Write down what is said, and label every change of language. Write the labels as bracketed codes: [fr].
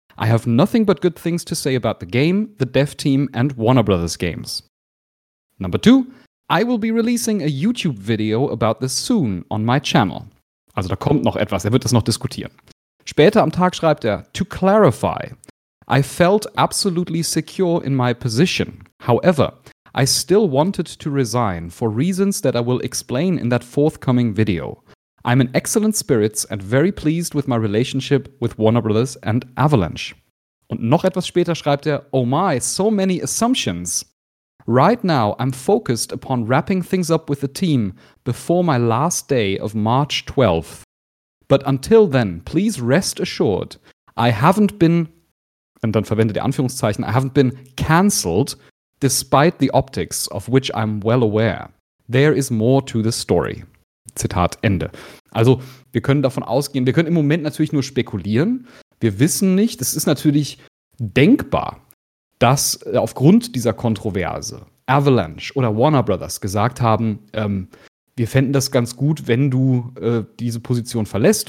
[en] I have nothing but good things to say about the game, the dev team and Warner Brothers games. Number 2, I will be releasing a YouTube video about this soon on my channel. [de] Also da kommt noch etwas, er wird das noch diskutieren. Später am Tag schreibt er, [en] to clarify, I felt absolutely secure in my position. However, I still wanted to resign for reasons that I will explain in that forthcoming video. I'm in excellent spirits and very pleased with my relationship with Warner Brothers and Avalanche. [de] Und noch etwas später schreibt er, [en] oh my, so many assumptions. Right now, I'm focused upon wrapping things up with the team before my last day of March 12th. But until then, please rest assured, I haven't been, [de] und dann verwendet er Anführungszeichen, [en] I haven't been cancelled, despite the optics of which I'm well aware. There is more to the story. [de] Zitat Ende. Also, wir können davon ausgehen, wir können im Moment natürlich nur spekulieren. Wir wissen nicht, es ist natürlich denkbar, dass aufgrund dieser Kontroverse Avalanche oder Warner Brothers gesagt haben, wir fänden das ganz gut, wenn du diese Position verlässt.